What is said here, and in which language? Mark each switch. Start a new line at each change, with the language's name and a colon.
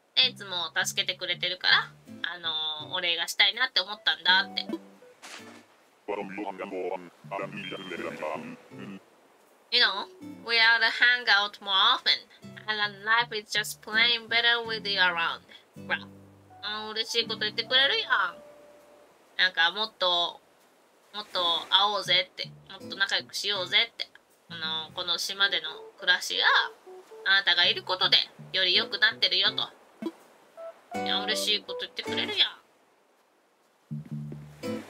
Japanese: いつも助けてくれてるから、お礼がしたいなって思ったんだって。
English: You know, we ought to hang out more often. And life is just plain better with you around.
Japanese: Well, 嬉しいこと言ってくれるやん。なんかもっと会おうぜって、もっと仲良くしようぜって。この島での暮らしが、あなたがいることで、より良くなってるよと。いや、嬉しいこと言ってくれるやん。